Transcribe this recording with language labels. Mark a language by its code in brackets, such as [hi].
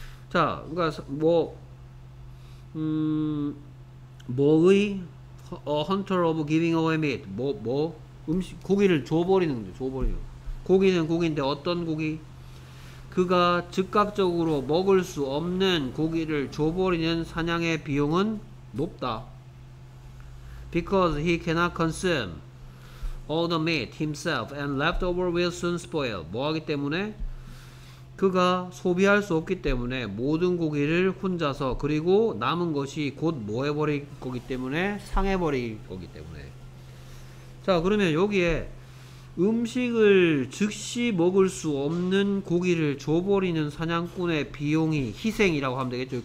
[ko] 자, 그러니까 뭐 뭐의 [en] a hunter of giving away meat. [ko] 뭐 음식 고기를 줘버리는 거죠. 줘버리는. 고기는 고기인데 어떤 고기? 그가 즉각적으로 먹을 수 없는 고기를 줘버리는 사냥의 비용은 높다. [en] Because he cannot consume all the meat himself and leftover will soon spoil. [ko] 뭐하기 때문에? 그가 소비할 수 없기 때문에 모든 고기를 혼자서 그리고 남은 것이 곧 뭐해버릴 거기 때문에? 상해버릴 거기 때문에. 자, 그러면 여기에 음식을 즉시 먹을 수 없는 고기를 줘버리는 사냥꾼의 비용이 희생이라고 하면 되겠죠.